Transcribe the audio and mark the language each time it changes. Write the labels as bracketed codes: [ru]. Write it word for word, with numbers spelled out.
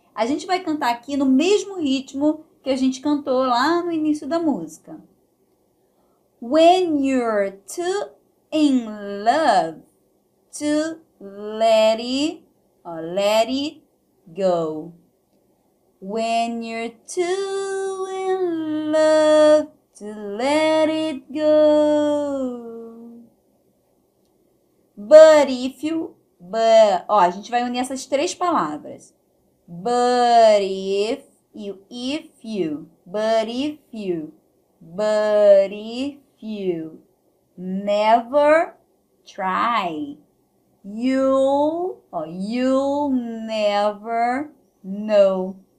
[pt] A gente vai cantar aqui no mesmo ritmo que a gente cantou lá no início da música. [en] When you're too in love to let it, or let it go. When you're too in love to let it go. But if you. [pt] But, ó, a gente vai unir essas três palavras. [en] But if [pt] E o [en] if you, but if you, but if you never try, you'll, ó, you'll never know.